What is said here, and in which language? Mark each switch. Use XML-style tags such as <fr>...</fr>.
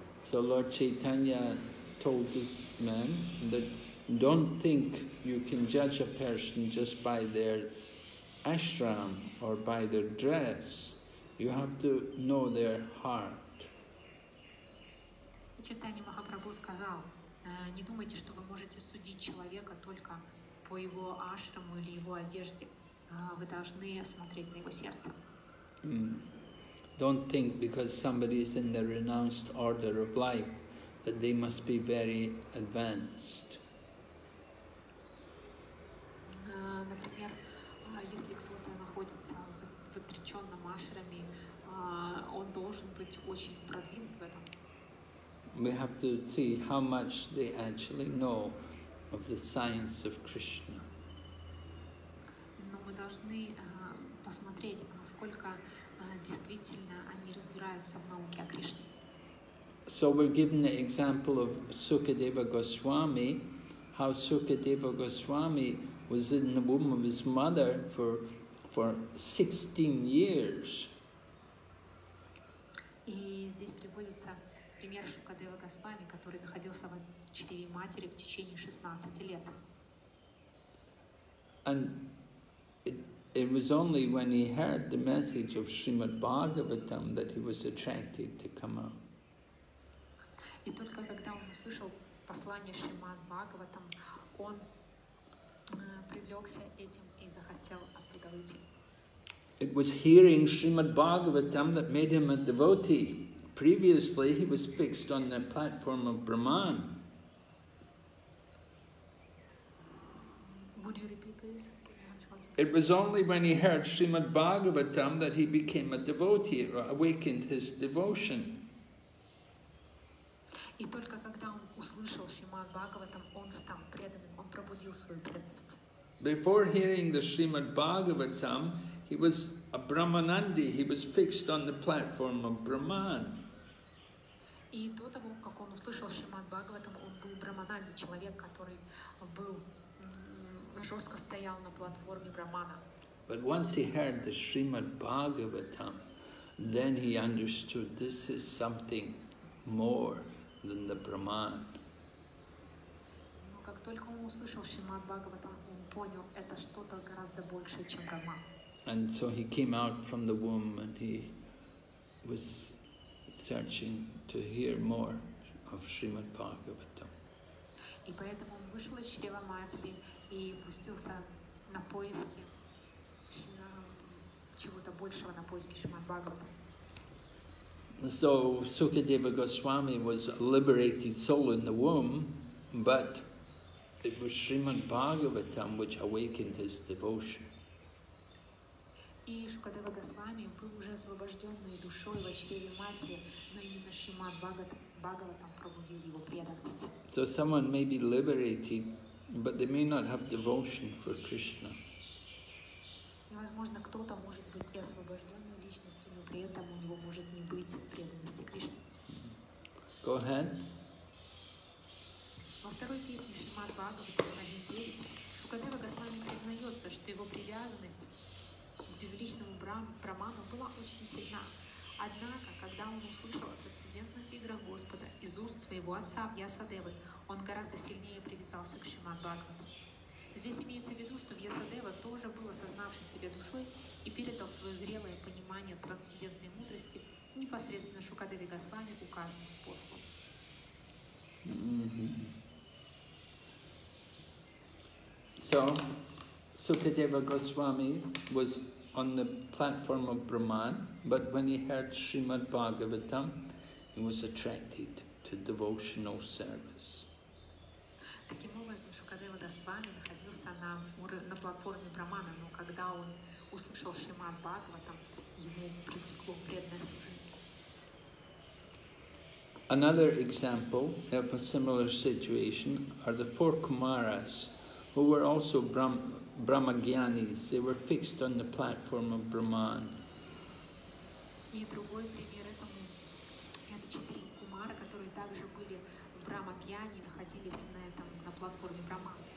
<en>So Lord Chaitanya told this man that don't think you can judge a person just by their ashram or by their dress. You have to know their heart.</en> <ru>Чайтанья Махапрабху сказал, не думайте, что вы можете судить человека только по его ашраму или его одежде. Вы должны смотреть на его сердце.</ru> <en>Don't think because somebody is in the renounced order of life that they must be very advanced.</en> <ru>Например, если кто-то находится в отреченном ашраме, он должен быть очень продвинут в этом.</ru> <en>We have to see how much they actually know of the science of Krishna.</en> <ru>Но мы должны посмотреть, насколько действительно они разбираются в науке о Кришне.</ru> <en>So we're given the example of Sukadeva Goswami, how Sukadeva Goswami was in the womb of his mother for 16 years.</en> <ru>И здесь приводится пример Шукадева Госвами, который находился в чреве матери в течение 16 лет.</ru> <en>And it was only when he heard the message of Srimad Bhagavatam that he was attracted to come out.</en> <ru>И только когда он услышал послание Шримад Бхагаватам, он привлекся этим и захотел оттуда выйти.</ru> <en>It was hearing Srimad Bhagavatam that made him a devotee. Previously, he was fixed on the platform of Brahman. Would you repeat, please? It was only when he heard Srimad Bhagavatam that he became a devotee, or awakened his devotion.</en> <ru>И только когда он услышал Шримад Бхагаватам, он стал преданным, он пробудил свою преданность.</ru> <en>Before hearing the Srimad Bhagavatam, he was a Brahmanandi, he was fixed on the platform of Brahman.</en> <ru>И до того, как он услышал Шримад Бхагаватам, он был Брахмананди, человек, который был, жестко стоял на платформе Брахмана.</ru> <en>But once he heard the Srimad Bhagavatam, then he understood this is something more than the Brahman.</en> <ru>Но как только он услышал Шримад Бхагаватам, он понял, это что-то гораздо большее, чем Брахман.</ru> <en>And so he came out from the womb and he was searching to hear more of Srimad Bhagavatam.</en> <ru>И поэтому он вышел из чрева матери и пустился на поиски чего-то большего, на поиски Шримад Бхагаватам.</ru> <en>So Sukadeva Goswami was a liberated soul in the womb, but it was Srimad Bhagavatam which awakened his devotion.</en> <ru>И Шукадева Госвами был уже освобожденный душой во чреве матери, но именно Шримад Бхагаватам пробудил его преданность.</ru> <en>So someone may be liberated, but they may not have devotion for Krishna.</en> <ru>И возможно, кто-то может быть и освобожденной личностью, но при этом у него может не быть преданности Кришне.</ru> <en>Go ahead.</en> <ru>Во второй песне Шримад Бхагаватам 1.9 Шукадева Госвами признается, что его привязанность безличному Браману была очень сильна. Однако, когда он услышал о трансцендентных играх Господа из уст своего отца Вьясадевы, он гораздо сильнее привязался к Шримад Бхагавату. Здесь имеется в виду, что Вьясадева тоже был осознавший себя душой и передал свое зрелое понимание трансцендентной мудрости непосредственно Шукадеве Госвами указанным способом.</ru> <en>So, Sukadeva Goswami was on the platform of Brahman, but when he heard Srimad Bhagavatam, he was attracted to devotional service.</en> <ru>Таким образом, Шукадева Госвами находился на платформе Брамана, но когда он услышал Шримад Бхагаватам, его привлекло преданное служение.</ru> <en>Another example of a similar situation are the four Kumaras, who were also Brahmagyanis. They were fixed on the platform of Brahman.</en> <ru>И другой пример этому – это четыре Кумара, которые также были Брахмагьяни, находились на платформе Брахман.</ru>